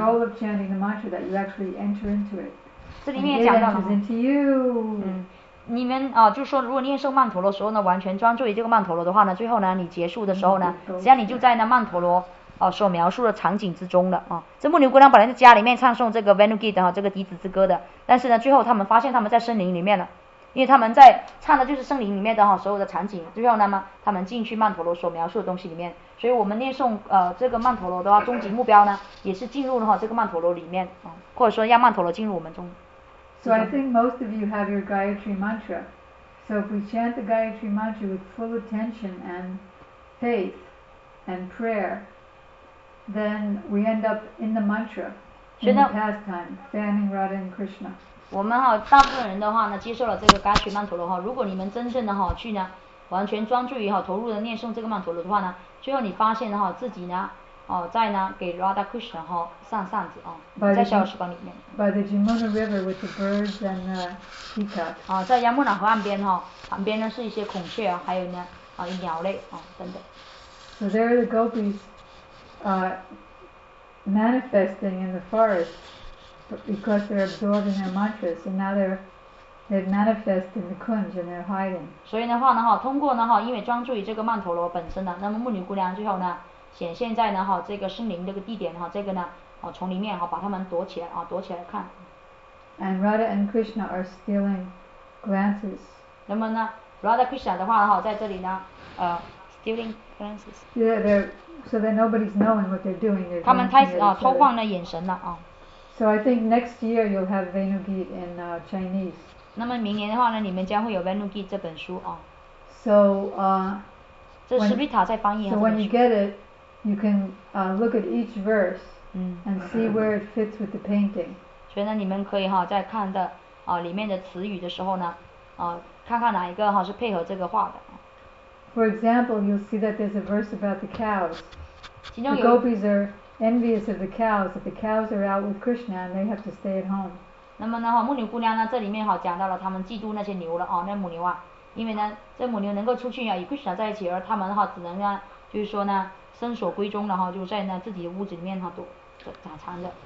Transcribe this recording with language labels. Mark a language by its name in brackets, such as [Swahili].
[English] That's the goal of chanting the mantra that you actually enter into it. [Chinese] 这里面也讲到了。 [English] It enters into you. [Chinese] 嗯，你们啊、就是说，如果念诵曼陀罗的时候呢，完全专注于这个曼陀罗的话呢，最后呢，你结束的时候呢，实际上你就在那曼陀罗。哦，所描述的场景之中的啊、哦，这牧牛姑娘本来在家里面唱诵这个 Vanugis 的、哦、这个笛子之歌的，但是呢，最后他们发现他们在森林里面了，因为他们在唱的就是森林里面的哈、哦、所有的场景，最后那么他们进去曼陀罗所描述的东西里面，所以我们念诵这个曼陀罗的话，终极目标呢也是进入了、哦、这个曼陀罗里面啊、哦，或者说让曼陀罗进入我们中。 [English] So I think most of you have your Gayatri mantra. So if we chant the Gayatri mantra with full attention and faith and prayer. Then we end up in the mantra, in the pastime, fanning Radha and Krishna. [Chinese] 我们哈大部分人的话呢，接受了这个伽曲曼陀罗哈。如果你们真正的哈去呢，完全专注于哈，投入的念诵这个曼陀罗的话呢，最后你发现哈自己呢，哦在呢给 Radha Krishna 哈上扇子啊，在小时光里面。 [English] By the Yamuna River with the birds and the peacocks. [Chinese] 啊，在 Yamuna 河岸边哈，旁边呢是一些孔雀啊，还有呢啊鸟类啊等等。 [English] So there are the gopis. Manifesting in the forest because they're absorbed in their mantras and now they've manifested in the kunj and they're hiding. [Chinese] 所以的话呢哈，通过呢哈，因为专注于这个曼陀罗本身呢，那么牧女姑娘最后呢，显现在呢哈这个森林这个地点哈，这个呢哦丛林面哈，把他们躲起来啊，躲起来看。 [English] And Radha and Krishna are stealing glances. [Chinese] 那么呢 ，Radha Krishna 的话哈，在这里呢， [English] stealing glances. Yeah, they're. So that nobody's knowing what they're doing. [Chinese] 他们开始啊，偷晃了眼神了啊。 [English] So I think next year you'll have Vanugis in Chinese. [Chinese] 那么明年的话呢，你们将会有 Vanugis 这本书啊。 [English] So [Chinese] 这是 Rita 在翻译啊。 [English] So when you get it, you can look at each verse and see where it fits with the painting. [Chinese] 所以呢，你们可以哈在看的啊里面的词语的时候呢，啊看看哪一个哈是配合这个画的。 [English] For example, you'll see that there's a verse about the cows. The gopis are envious of the cows, that the cows are out with Krishna and they have to stay at home. [Chinese] 那么呢，哈，牧牛姑娘呢，这里面哈讲到了他们嫉妒那些牛了啊、哦，那母牛啊，因为呢，这母牛能够出去啊，与 Krishna 在一起，而他们哈只能呢，就是说呢，身锁闺中了哈，就在那自己的屋子里面哈躲打藏着。